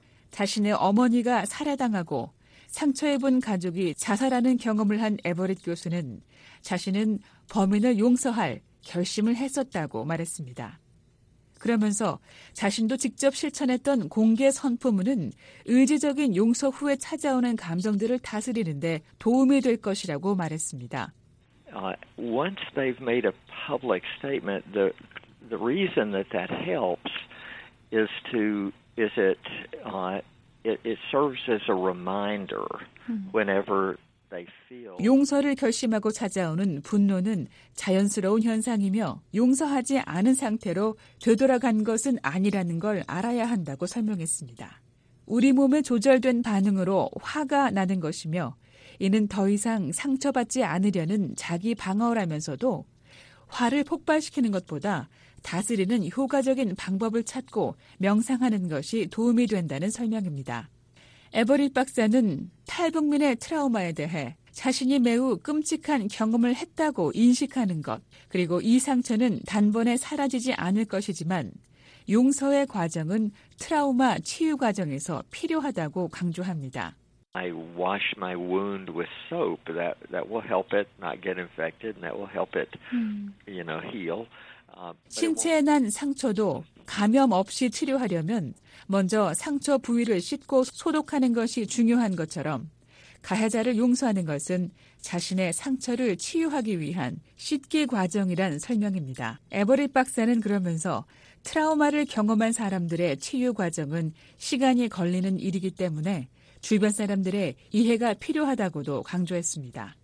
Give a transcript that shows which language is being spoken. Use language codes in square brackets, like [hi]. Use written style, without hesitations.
[ko] 자신의 어머니가 살해당하고 상처입은 가족이 자살하는 경험을 한 에버렛 교수는 자신은 범인을 용서할 결심을 했었다고 말했습니다. 그러면서 자신도 직접 실천했던 공개 선포문은 의지적인 용서 후에 찾아오는 감정들을 다스리는데 도움이 될 것이라고 말했습니다. [en] Once they've made a public statement, the reason that that helps is to is it it serves as a reminder whenever. [ko] 용서를 결심하고 찾아오는 분노는 자연스러운 현상이며 용서하지 않은 상태로 되돌아간 것은 아니라는 걸 알아야 한다고 설명했습니다. 우리 몸에 조절된 반응으로 화가 나는 것이며 이는 더 이상 상처받지 않으려는 자기 방어라면서도 화를 폭발시키는 것보다 다스리는 효과적인 방법을 찾고 명상하는 것이 도움이 된다는 설명입니다. 에버릿 박사는 탈북민의 트라우마에 대해 자신이 매우 끔찍한 경험을 했다고 인식하는 것, 그리고 이 상처는 단번에 사라지지 않을 것이지만 용서의 과정은 트라우마 치유 과정에서 필요하다고 강조합니다. [en] I wash my wound with soap. That will help it not get infected and that will help it, you know, heal. [ko] 신체에 난 상처도 감염 없이 치료하려면 먼저 상처 부위를 씻고 소독하는 것이 중요한 것처럼 가해자를 용서하는 것은 자신의 상처를 치유하기 위한 씻기 과정이란 설명입니다. 에버릿 박사는 그러면서 트라우마를 경험한 사람들의 치유 과정은 시간이 걸리는 일이기 때문에 주변 사람들의 이해가 필요하다고도 강조했습니다.